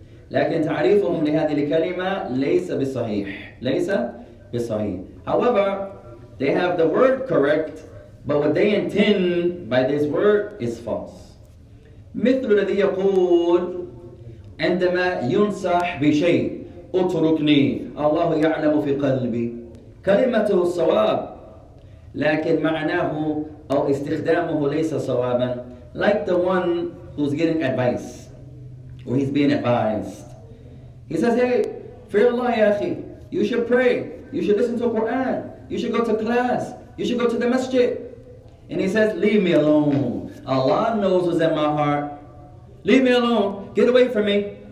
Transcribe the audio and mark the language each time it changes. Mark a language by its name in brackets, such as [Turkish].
[Arabic] لكن تعريفهم لهذه الكلمة ليس بالصحيح. ليس بالصحيح. [English] However, they have the word correct, but what they intend by this word is false. [Arabic] مثل الذي يقول عندما ينصح بشيء اتركني الله يعلم في قلبي. كلمته الصواب لكن معناه أو استخدامه ليس صوابا. [English] Like the one who's getting advice or he's being advised. He says, hey, fear Allah, [Arabic] يا أخي. [English] You should pray. You should listen to the Quran. You should go to class. You should go to the masjid. And he says, leave me alone. Allah knows what's in my heart. Leave me alone. Get away from me.